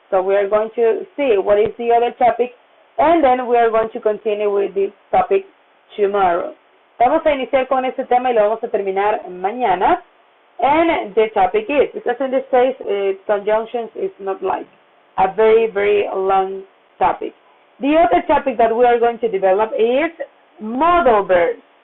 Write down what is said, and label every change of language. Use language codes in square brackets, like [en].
[en] So we are going to see what is the other topic, and then we are going to continue with the topic tomorrow. [es] Vamos a iniciar con este tema y lo vamos a terminar mañana. [en] And the topic is, because in this case, conjunctions is not like a very, very long topic. The other topic that we are going to develop is modal verbs.